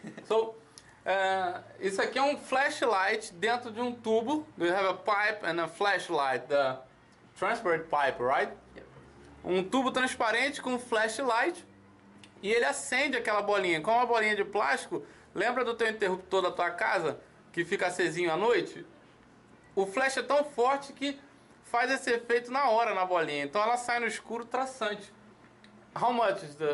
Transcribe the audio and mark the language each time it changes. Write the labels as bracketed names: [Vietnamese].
[Portuguese] So, isso aqui é um flashlight dentro de um tubo. [English] We have a pipe and a flashlight, the transparent pipe, right? Yep. [Portuguese] Um tubo transparente com flashlight e ele acende aquela bolinha. Com uma bolinha de plástico, lembra do teu interruptor da tua casa que fica acesinho à noite? O flash é tão forte que faz esse efeito na hora na bolinha. Então ela sai no escuro traçante. [English] How much is the...